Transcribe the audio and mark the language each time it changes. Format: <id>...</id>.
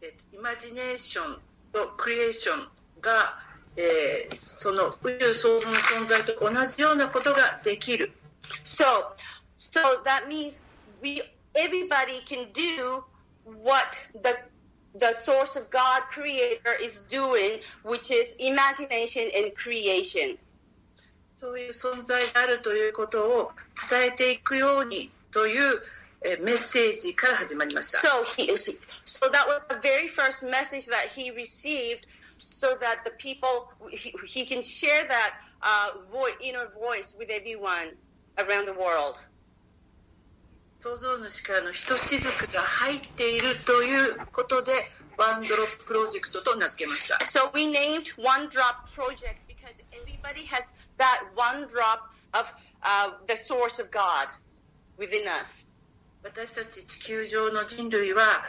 <ja>Imagination と creation が、その宇宙創造の存在と同じようなことができる。</ja> <en>So that means everybody can do what the source of God creator is doing, which is imagination and creation.</en> <ja>そういう存在であるということを伝えていくようにというメッセージから始まりました。</ja> <en>So that was the very first message that he received so that the people, he can share that inner voice with everyone around the world.</en> <ja>創造主からのひとしずくが入っているということで、ワンドロッププロジェクトと名付けました。</ja> <en>So we named One Drop Project because everybody has that one drop of the source of God within us.</en> <ja>私たち地球上の人類は、</ja>